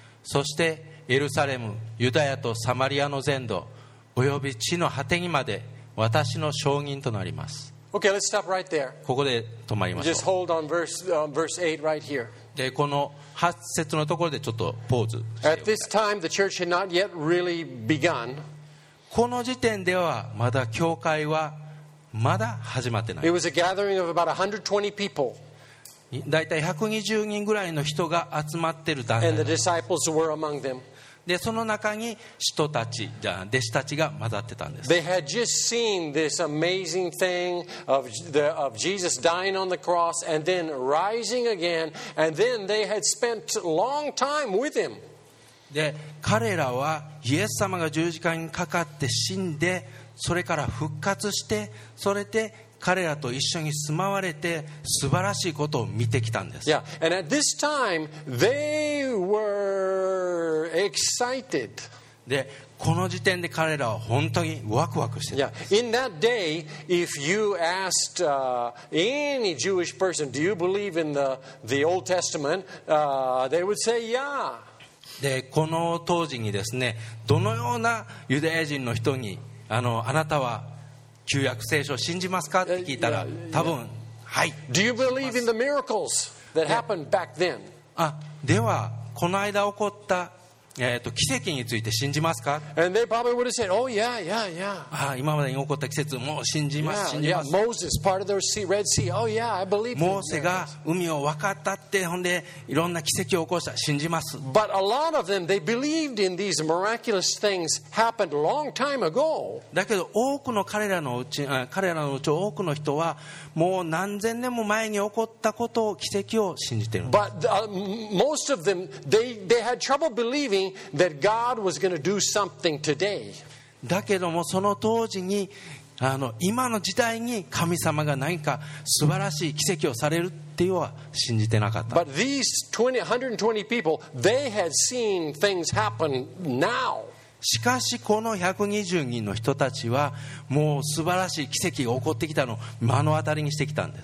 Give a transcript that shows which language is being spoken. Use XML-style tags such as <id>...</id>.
<ja>そしてエルサレム、ユダヤとサマリアの全土および地の果てにまで私の証人となります。</ja> <en>Okay, let's stop right there.</en> <ja>ここで止まりましょう。</ja> <en>Just hold on verse 8 right here.</en> <ja>でこの8節のところでちょっとポーズ。</ja> <en>At this time the church had not yet really begun.</en> <ja>この時点ではまだ教会はまだ始まってない。</ja> <en>It was a gathering of about 120 people.</en> <ja>だいたい120人ぐらいの人が集まってる団体。</ja> <en>And the disciples were among them.</en> <ja>でその中に使徒たち、弟子たちが混ざってたんです。</ja> <en>They had just seen this amazing thing of Jesus dying on the cross and then rising again, and then they had spent long time with him.</en> <ja>で彼らはイエス様が十字架にかかって死んで、それから復活して、それで彼らと一緒に住まわれて素晴らしいことを見てきたんです。</ja> <en>Yeah, and at this time they were excited.</en> <ja>で、この時点で彼らは本当にワクワクしてた。</ja> <en>Yeah, in that day, if you asked any Jewish person, do you believe in the Old Testament? They would say, yeah.</en> <ja>で、この当時にですね、どのようなユダヤ人の人に、あなたは旧約聖書を信じますかって聞いたら、多分、はい。</ja> <en>Do you believe in the miracles that happened back then?</en> <ja>あ、では、この間起こった、奇跡について信じますか。</ja> <en>And they probably would have said, oh, yeah, yeah, yeah.</en> <ja>あ、今までに起こった奇跡、もう信じます、信じます。</ja> <en>Yeah, Moses, part of the Red Sea, oh, yeah, I believe.</en> <ja>モーセが海を渡ったって、ほんで、いろんな奇跡を起こした、信じます。</ja> <en>But a lot of them, they believed in these miraculous things happened a long time ago.</en> <ja>だけど、多くの彼らのうち、彼らのうち多くの人は、もう何千年も前に起こったことを、奇跡を信じてるんです。</ja> <en>But most of them, they had trouble believingThat God was going to do something today.</en> <ja>だけどもその当時に、今の時代に神様が何か素晴らしい奇跡をされるっていうのは信じてなかった。</ja> <en>But these 120 people, they had seen things happen now.</en> <ja>しかしこの120人の人たちはもう素晴らしい奇跡が起こってきたのを目の当たりにしてきたんです。</ja>